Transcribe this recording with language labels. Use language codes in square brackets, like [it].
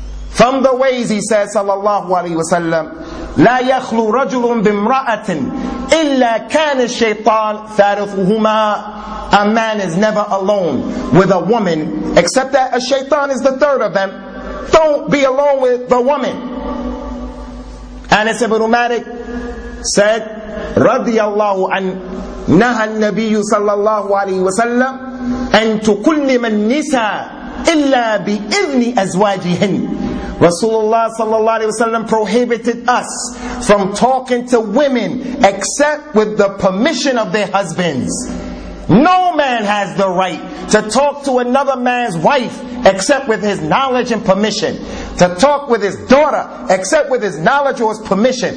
[en] From the ways, he says, [ar] sallallahu alayhi wa sallam, لا يخلو رجل بامرأة إلا كان الشيطان ثالثهما. [en] A man is never alone with a woman, except that a shaitan is the third of them. Don't be alone with the woman. Anas ibn Malik said, [ar] رضي الله عن نهى النبي صلى الله عليه وسلم أن تكلم النساء إلا بإذن أزواجهن. [en] Rasulullah sallallahu alayhi wa sallam prohibited us from talking to women except with the permission of their husbands. No man has the right to talk to another man's wife except with his knowledge and permission. To talk with his daughter except with his knowledge or his permission.